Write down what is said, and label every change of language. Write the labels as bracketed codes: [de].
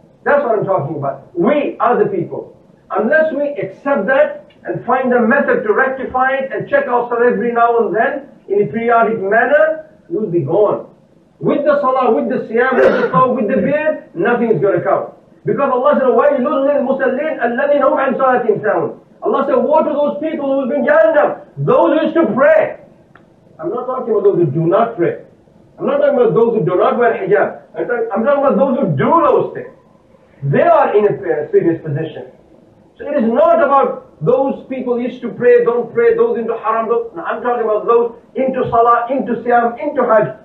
[en] That's what I'm talking about. We are the people. Unless we accept that and find a method to rectify it and check ourselves every now and then, in a periodic manner, we'll be gone. With the salah, with the siyam, with the tawb, with the beard, nothing is going to come. Because Allah said, [ar] وَيْلُوا لِلْمُسَلِّينَ أَلَّذِينَ هُمْ عَنْ صَلَاتِهِمْ سَاهُونَ. [en] Allah said, woe to those people who have been jailed up. Those who used to pray. I'm not talking about those who do not pray. I'm not talking about those who do not wear hijab. I'm talking about those who do those things. They are in a serious position. So it is not about those people used to pray, don't pray, those into haram, no, I'm talking about those into salah, into siyam, into hajj.